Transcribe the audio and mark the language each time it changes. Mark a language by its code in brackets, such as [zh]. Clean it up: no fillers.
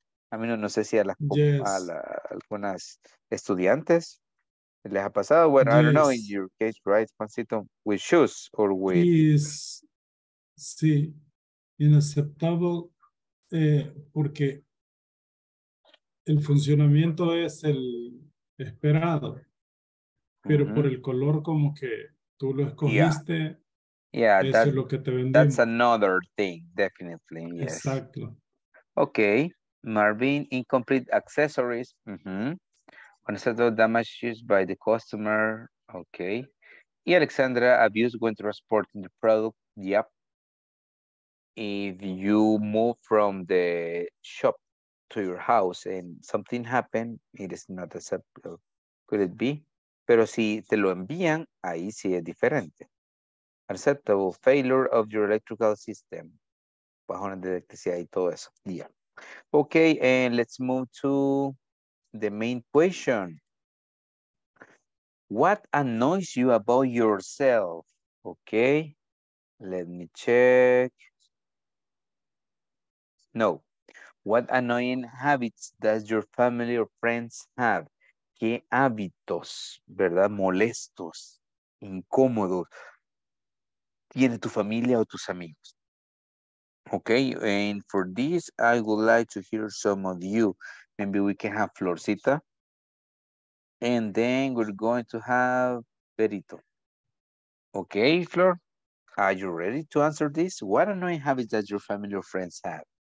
[es] A mí no sé si a las algunas estudiantes. ¿Les ha pasado? [en] Bueno, yes. I don't know, in your case, right, Juancito? With shoes or with... Yes. [es] Sí, inaceptable, porque el funcionamiento es el esperado, pero mm-hmm. por el color como que tú lo escogiste, [en] yeah, [es] eso es lo que te vendemos. [en] That's another thing, definitely, yes. [es] Exacto. [en] Okay, Marvin, incomplete accessories. Mm-hmm. Unacceptable damage used by the customer. Okay. Y Alexandra, abuse when transporting the product. Yep. If you move from the shop to your house and something happened, it is not acceptable. Could it be? [es] Pero si te lo envían, ahí sí es diferente. [en] Unacceptable failure of your electrical system. [es] Bajones de electricidad y todo eso. [en] Yeah. Okay, and let's move to the main question. What annoys you about yourself? Okay, let me check. No. What annoying habits does your family or friends have? [es] ¿Qué hábitos, verdad, molestos, incómodos tiene tu familia o tus amigos? [en] Okay, and for this, I would like to hear some of you. Maybe we can have Florcita. And then we're going to have Berito. Okay, Flor. Are you ready to answer this? What annoying habits does your family or friends have?